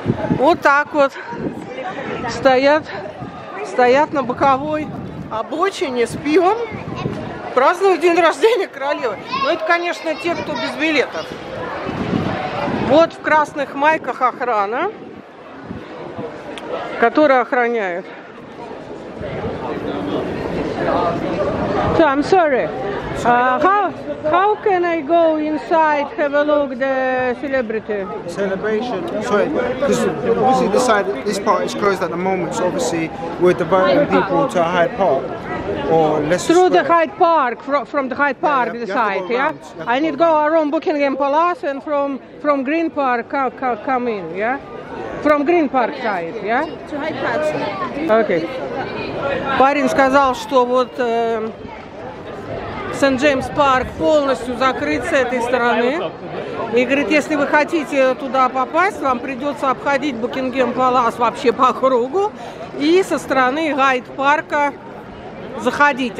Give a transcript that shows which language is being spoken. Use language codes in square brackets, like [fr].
[ru] Вот так вот стоят на боковой обочине с пивом, празднуют день рождения королевы. Но это, конечно, те, кто без билетов. Вот в красных майках охрана, которая охраняет. [en] So, I'm sorry. How can I go inside, have a look the celebrity? Celebration. Sorry, because obviously this side, this part is closed at the moment, so obviously we're diverting people to Hyde Park. Or Leicester Through Square. The Hyde Park, from the Hyde Park, yeah, side, yeah? I need to go around Buckingham Palace and from Green Park come in, yeah? From Green Park side, yeah? To Hyde Park side. Okay. [ru] Парень сказал, что вот Сент-Джеймс Парк полностью закрыт с этой стороны. И говорит, если вы хотите туда попасть, вам придется обходить Букингем Палас вообще по кругу и со стороны Гайд-парка заходить.